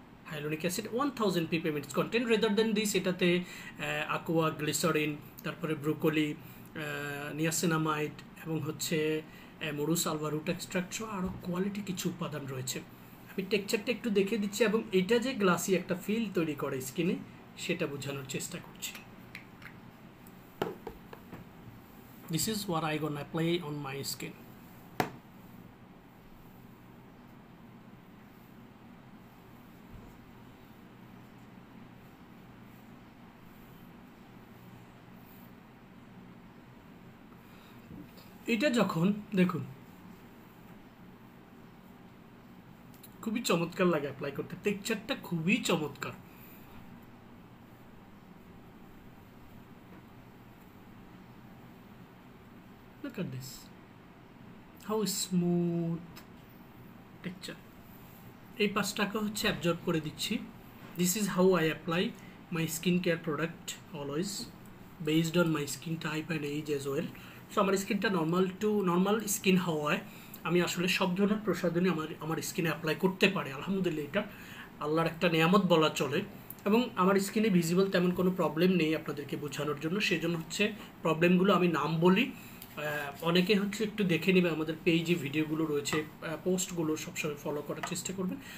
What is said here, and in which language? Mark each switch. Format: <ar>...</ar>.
<bn>হাইলোরিক acid 1000 ppm</bn> <en>it's content rather than this,</en> <bn>এটাতে aqua, glycerine, তারপরে broccoli, niacinamide এবং হচ্ছে মরুস আলভা রুট এক্সট্রাক্ট, আরও কোয়ালিটি কিছু উপাদান রয়েছে। আমি টেক্সচারটা একটু দেখে দিচ্ছি, এবং এটা যে গ্লাসি একটা ফিল তৈরি করে স্কিনে সেটা বোঝানোর চেষ্টা করছি।</bn> <en>This is what I gonna apply on my skin.</en> <bn>এটা যখন দেখুন খুবই চমৎকার লাগে অ্যাপ্লাই করতে, টেক্সচারটা খুবই চমৎকার।</bn> <en>Look at this, how smooth texture.</en> <bn>এই পাঁচটাকে হচ্ছে অ্যাবজর্ব করে দিচ্ছি।</bn> <en>This is how I apply my skincare product always based on my skin type and age as well.</en> <bn>So আমার স্কিনটা নর্মাল টু নর্মাল স্কিন হওয়ায় আমি আসলে সব ধরনের প্রসাধনী আমার স্কিনে অ্যাপ্লাই করতে পারি, আলহামদুলিল্লাহ, এটা আল্লাহর একটা নিয়ামত বলা চলে। এবং আমার স্কিনে ভিজিবল তেমন কোনো প্রবলেম নেই আপনাদেরকে বোঝানোর জন্য, সেজন্য হচ্ছে প্রবলেমগুলো আমি নাম বলি, অনেকে হচ্ছে একটু দেখে নেবে, আমাদের পেজে ভিডিওগুলো রয়েছে, পোস্টগুলো সবসময় ফলো করার চেষ্টা করবেন।</bn>